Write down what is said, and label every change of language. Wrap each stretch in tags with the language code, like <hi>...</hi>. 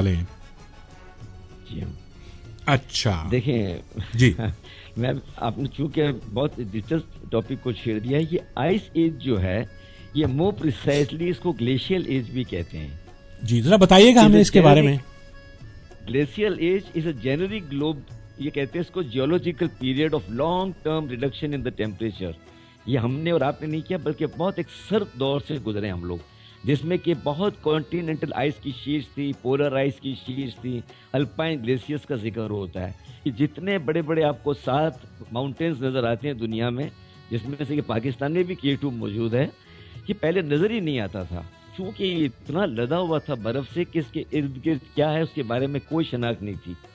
<ur>جی اچھا دیکھیں جی میں آپ نے چونکہ بہت دلچسپ ٹاپک کو چھیڑ دیا ہے, یہ آئس ایج جو ہے یہ</ur> <en>more precisely</en> <ur>اس کو گلیشیل ایج بھی کہتے ہیں. جی ذرا بتائیے گا ہمیں اس کے بارے میں.</ur> <en>glacial age is a generic globe,</en> <ur>یہ کہتے ہیں اس کو,</ur> <en>Geological period of long term reduction in the temperature.</en> <ur>یہ ہم نے اور آپ نے نہیں کیا بلکہ بہت ایک سرد دور سے گزرے ہیں ہم لوگ, جس میں کہ بہت کانٹیننٹل آئس کی شیٹس تھی, پولر آئس کی شیٹس تھی, الپائن گلیشیئرس کا ذکر ہوتا ہے. یہ جتنے بڑے بڑے آپ کو 7 ماؤنٹینس نظر آتے ہیں دنیا میں, جس میں سے کہ پاکستان میں بھی K2 موجود ہے, یہ پہلے نظر ہی نہیں آتا تھا چونکہ یہ اتنا لدا ہوا تھا برف سے کہ اس کے ارد گرد کیا ہے اس کے بارے میں کوئی شناخت نہیں تھی.</ur>